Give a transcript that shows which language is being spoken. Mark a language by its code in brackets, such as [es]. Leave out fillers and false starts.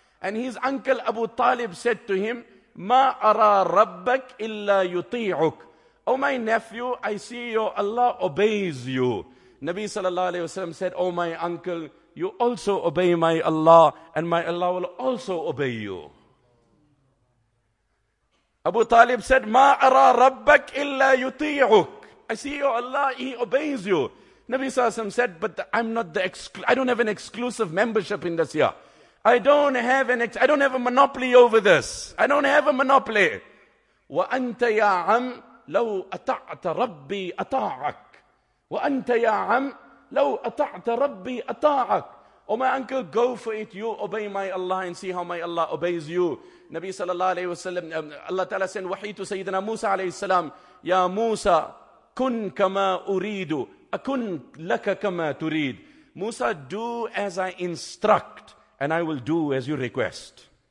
[en] And his uncle Abu Talib said to him, [ar] مَا أَرَى رَبَّكْ إِلَّا يُطِيعُكْ. [en] Oh my nephew, I see your Allah obeys you. Nabi sallallahu alayhi wa sallam said, Oh my uncle, you also obey my Allah, and my Allah will also obey you. Abu Talib said, [ar] مَا أَرَى رَبَّكْ إِلَّا يُطِيعُكْ. [en] I see your Allah, he obeys you. Nabi sallallahu alayhi wa sallam said, I don't have an exclusive membership in this year. I don't have a monopoly over this. I don't have a monopoly. [ar] وَأَنْتَ يَا عَمْ لَوْ أَطَعْتَ رَبِّي أَطَاعَكْ. وَأَنْتَ يَا عَمْ لَوْ أَطَعْتَ رَبِّي أَطَاعَكْ. [en] Oh my uncle, go for it. You obey my Allah and see how my Allah obeys you. Nabi sallallahu alayhi wa sallam, Allah ta'ala sent wahi to Sayyidina Musa alayhi salam, [ar] Ya Musa, kun kama uridu, akun laka kama turid. [en] Musa, do as I instruct, and I will do as you request.